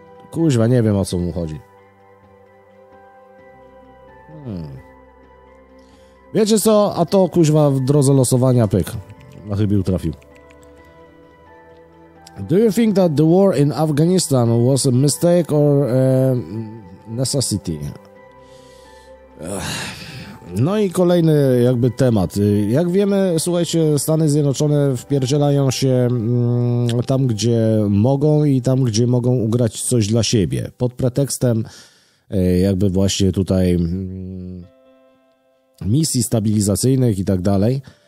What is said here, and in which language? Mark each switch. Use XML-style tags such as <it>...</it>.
<pl>Kuźwa, nie wiem, o co mu chodzi. Wiecie co? A to, kuźwa, w drodze losowania, pyk. Na chybił trafił.</pl> <en>Do you think that the war in Afghanistan was a mistake or a necessity?</en> <pl>No i kolejny jakby temat. Jak wiemy, słuchajcie, Stany Zjednoczone wpierdzielają się tam, gdzie mogą i tam, gdzie mogą ugrać coś dla siebie. Pod pretekstem jakby właśnie tutaj misji stabilizacyjnych i tak dalej.</pl>